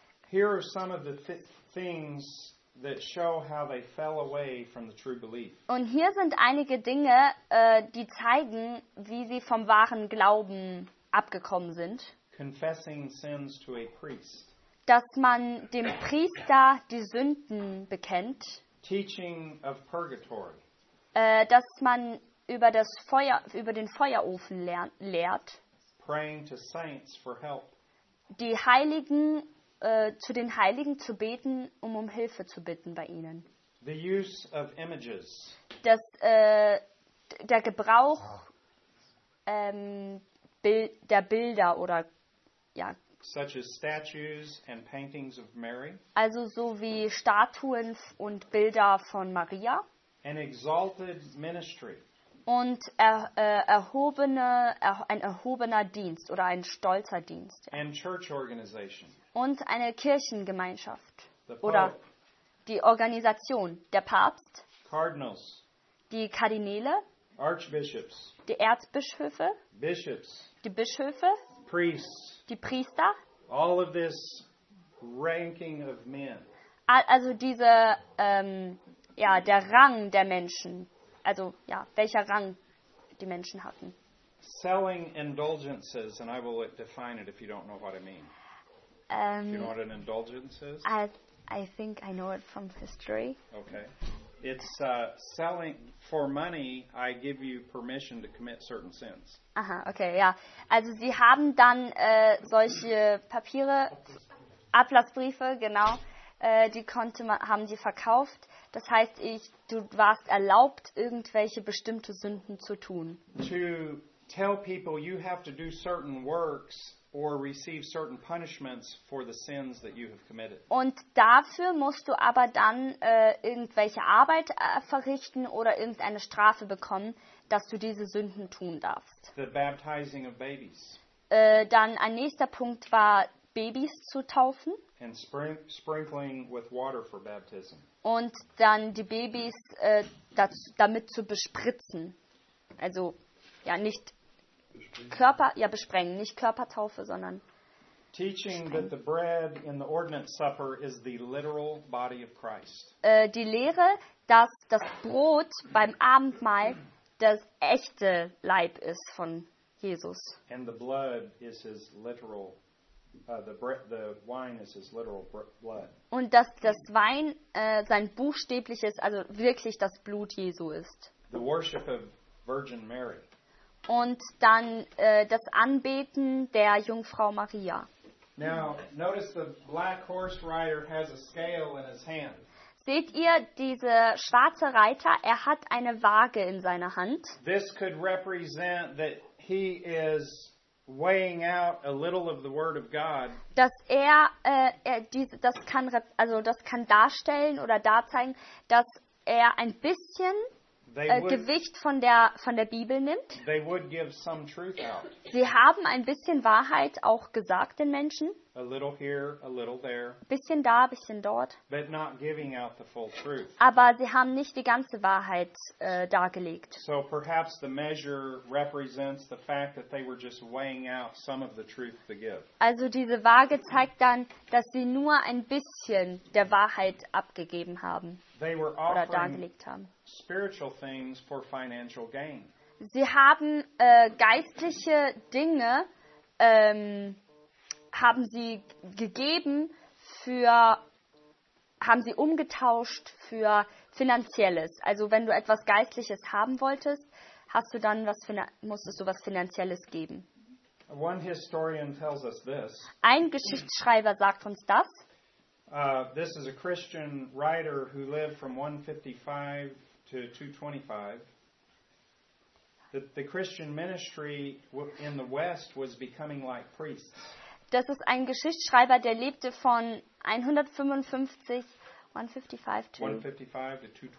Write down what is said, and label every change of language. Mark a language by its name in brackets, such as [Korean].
[English] Here are some of the things that show how they fell away from the true belief. [German] Und hier sind einige Dinge, die zeigen, wie sie vom wahren Glauben abgekommen sind. [English] Confessing sins to a priest. [German] Dass man dem Priester die Sünden bekennt. [English] Teaching of purgatory. [German] Dass man über das Feuer, über den Feuerofen lehrt. [English] Praying to saints for help. [German] Die Heiligen zu den Heiligen zu beten, um Hilfe zu bitten bei ihnen. [English] The use of images. [German] Der Gebrauch der Bilder oder ja. [English] Such as statues and paintings of Mary. [German] Also so wie Statuen und Bilder von Maria. [English] An exalted ministry. [German] Und ein erhobener Dienst oder ein stolzer Dienst. [English] And church organization. [German] Und eine Kirchengemeinschaft oder die Organisation, der Papst, [English] Cardinals, [German] die Kardinäle, [English] Archbishops, [German] die Erzbischöfe, [English] Bishops, [German] die Bischöfe, [English] Priests, [German] die Priester, [English] all of this ranking of men. [German] Also diese, ja, der Rang der Menschen, also ja, welcher Rang die Menschen hatten. [English] Selling indulgences, and I will define it if you don't know what I mean. Do you know what an indulgence is? I think I know it from history. Okay. It's selling for money, I give you permission to commit certain sins. [German] Aha, okay, ja. Also sie haben dann solche Papiere, Ablassbriefe, genau, haben sie verkauft. Das heißt, du warst erlaubt, irgendwelche bestimmte Sünden zu tun. [English] To tell people you have to do certain works or receive certain punishments for the sins that you have committed. [German] Und dafür musst du aber dann irgendwelche Arbeit verrichten oder irgendeine Strafe bekommen, dass du diese Sünden tun darfst. [English] The baptizing of babies. [German] Dann ein nächster Punkt war Babys zu taufen. [English] And sprinkling with water for baptism. [German] Und dann die Babys damit zu bespritzen. Also ja, nicht besprengen, nicht Körpertaufe, sondern [English] teaching that the bread in the ordinance supper is the literal body of Christ. [German] Die Lehre, dass das Brot beim Abendmahl das echte Leib ist von Jesus. [English] And the blood is his literal the wine is his literal blood. [German] Und dass das Wein sein buchstäbliches, also wirklich das Blut Jesu ist. [English] The worship of Virgin Mary. [German] Und dann das Anbeten der Jungfrau Maria. [English] Now, notice the black horse rider has a scale in his hand. [German] Seht ihr, diese schwarze Reiter, er hat eine Waage in seiner Hand. [English] This could represent that he is weighing out a little of the word of God. [German] Dass er, das kann, also das kann darstellen oder darzeigen, dass er ein bisschen Gewicht von der Bibel nimmt. [English] They would give some truth out. [German] Sie haben ein bisschen Wahrheit auch gesagt den Menschen. [English] A little here, a little there. [German] Bisschen da, bisschen dort. [English] But not giving out the full truth. [German] Aber sie haben nicht die ganze Wahrheit dargelegt. [English] So perhaps the measure represents the fact that they were just weighing out some of the truth to give. [German] Also diese Waage zeigt dann, dass sie nur ein bisschen der Wahrheit abgegeben haben. [English] They were [German] offering dargelegt haben. [English] Spiritual things for financial gain. [German] Sie haben geistliche Dinge haben sie gegeben für, haben sie umgetauscht für Finanzielles. Also wenn du etwas Geistliches haben wolltest, hast du dann was, musstest du was Finanzielles geben. [English] One historian tells us this. [German] Ein Geschichtsschreiber sagt uns das. [English] This is a Christian writer who lived from 155 to 225. The Christian ministry in the West was becoming like priests. [German] Das ist ein Geschichtsschreiber, der lebte von 155 to 225.